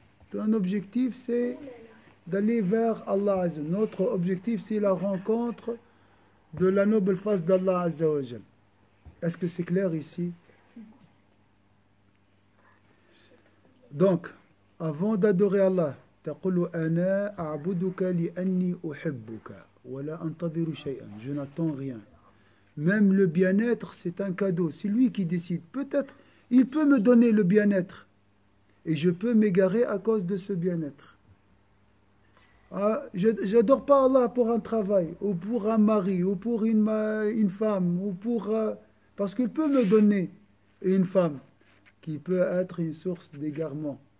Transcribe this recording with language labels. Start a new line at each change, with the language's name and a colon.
French: Ton objectif, c'est d'aller vers Allah Azza. Notre objectif, c'est la rencontre de la noble face d'Allah Azza wa Jal. Est-ce que c'est clair ici?
Arabic: Donc, avant d'adorer Allah, تقول انا اعبدك لاني احبك ولا انتظر شيئا.
French: Je n'attends rien. Même le bien-être, c'est un cadeau. C'est lui qui décide. Peut-être il peut me donner le bien-être et je peux m'égarer à cause de ce bien-être. Ah, j'adore pas Allah pour un travail ou pour un mari ou pour une femme ou pour parce qu'il peut me donner une femme qui peut être une source d'égarement.